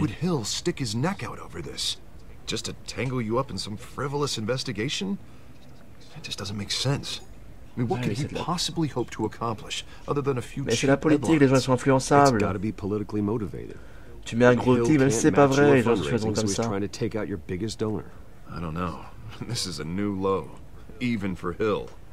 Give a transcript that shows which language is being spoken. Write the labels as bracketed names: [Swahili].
[English] Would Hill stick his neck out over this? Just to tangle you up in some frivolous investigation? It just doesn't make sense. I mean, what could he possibly hope to accomplish, other than a few [French] Mais c'est la politique, les gens sont influençables. [English] It's gotta be politically motivated. [French] Tu mets un gros clip, même si c'est pas vrai, les gens se faisons comme ça. [English] Trying to take out your biggest donor. I don't know. This is a new low, even for Hill.